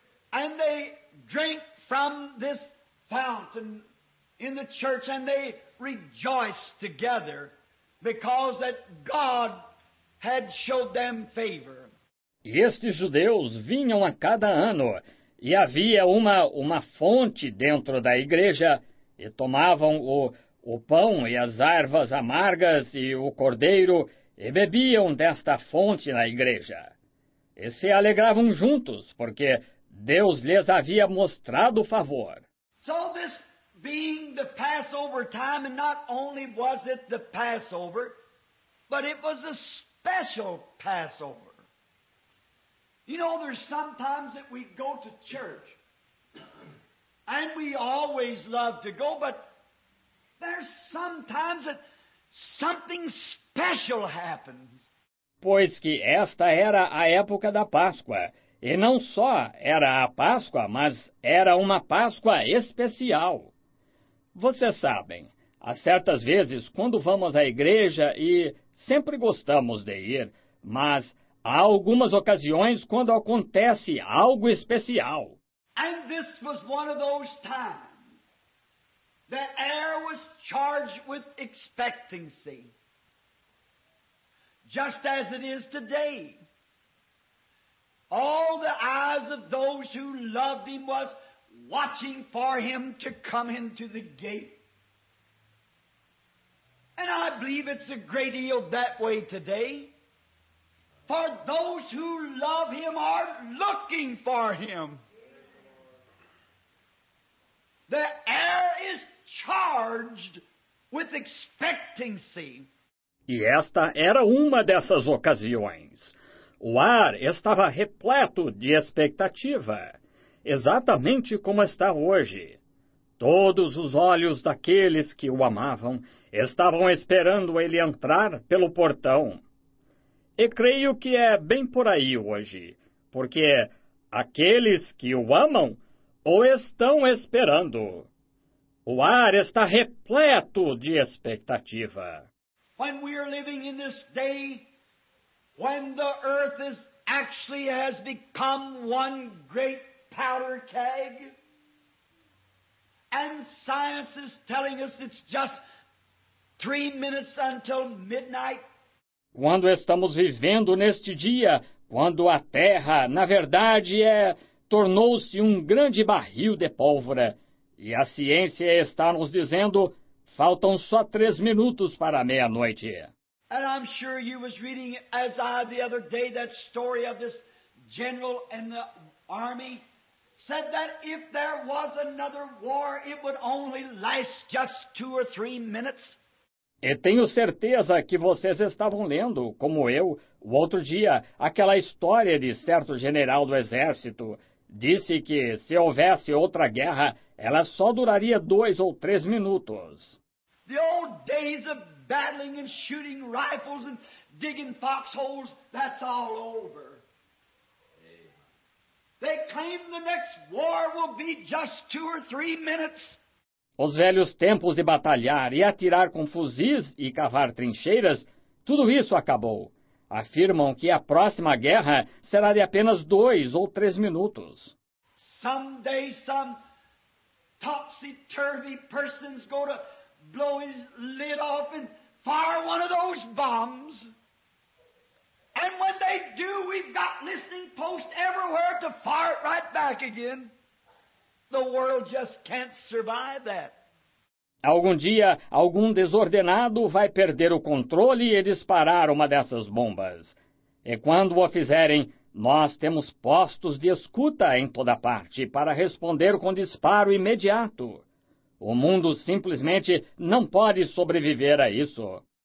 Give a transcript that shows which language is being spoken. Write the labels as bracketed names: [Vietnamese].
[English] And they drink from this fountain in the church and they rejoice together because that God had showed them favor. [Portuguese] E estes judeus vinham a cada ano e havia uma fonte dentro da igreja. E tomavam o pão e as ervas amargas e o cordeiro e bebiam desta fonte na igreja. E se alegravam juntos, porque Deus lhes havia mostrado favor. [English] So this being the Passover time, and not only was it the Passover, but it was a special Passover. You know, there's sometimes that we go to church. And we always love to go, but there's sometimes that something special happens. [Portuguese] Pois que esta era a época da Páscoa, e não só era a Páscoa, mas era uma Páscoa especial. Vocês sabem, Há certas vezes, quando vamos à igreja e sempre gostamos de ir, mas há algumas ocasiões quando acontece algo especial. [English] And this was one of those times. The air was charged with expectancy. Just as it is today. All the eyes of those who loved him was watching for him to come into the gate. And I believe it's a great deal that way today. For those who love him are looking for him. The air is charged with expectancy. [Portuguese] E esta era uma dessas ocasiões. O ar estava repleto de expectativa, exatamente como está hoje. Todos os olhos daqueles que o amavam estavam esperando ele entrar pelo portão. E creio que é bem por aí hoje, porque aqueles que o amam o estão esperando. O ar está repleto de expectativa. [English] When we are living in this day, when the earth is actually has become one great powder keg, and science is telling us it's just 3 minutes until midnight. [Portuguese] Quando estamos vivendo neste dia, quando a Terra, na verdade, tornou-se um grande barril de pólvora, e a ciência está nos dizendo, faltam só 3 minutos para a meia-noite. [English] And I'm sure you was reading, as I the other day, that story of this general in the army, said that if there was another war, it would only last just 2 or 3 minutes. [Portuguese] E tenho certeza que vocês estavam lendo, como eu, o outro dia, aquela história de certo general do exército. Disse que, se houvesse outra guerra, ela só duraria 2 ou 3 minutos. [English] The old days of battling and shooting rifles and digging foxholes, that's all over. They claim the next war will be just 2 or 3 minutes. [Portuguese] Os velhos tempos de batalhar e atirar com fuzis e cavar trincheiras, tudo isso acabou. Afirmam que a próxima guerra será de apenas 2 ou 3 minutos. [English] Someday some topsy-turvy person's gonna blow his lid off and fire one of those bombs. And when they do, we've got listening posts everywhere to fire it right back again. The world just can't survive that. [Portuguese] Algum dia, algum desordenado vai perder o controle e disparar uma dessas bombas. E quando o fizerem, nós temos postos de escuta em toda parte para responder com disparo imediato. O mundo simplesmente não pode sobreviver a isso.